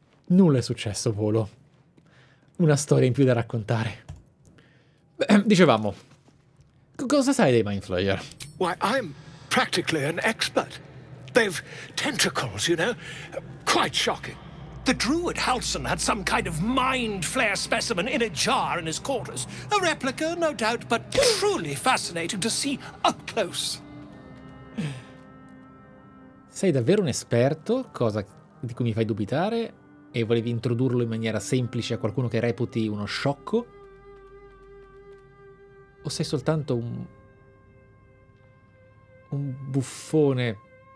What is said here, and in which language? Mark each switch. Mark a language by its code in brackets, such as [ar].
[it] Nulla è successo, Volo. Una storia in più da raccontare. Beh, dicevamo. Cosa sai dei Mind Flayer? [en] Why, I'm practically an expert. They've tentacles, you know? Quite shocking. The druid Halson had some kind of mind flare specimen in a jar in his quarters. A replica, no doubt, but truly fascinating to see up close. [it] Sei davvero un esperto, cosa di cui mi fai dubitare, e volevi introdurlo in maniera semplice a qualcuno che reputi uno sciocco? O sei soltanto un buffone?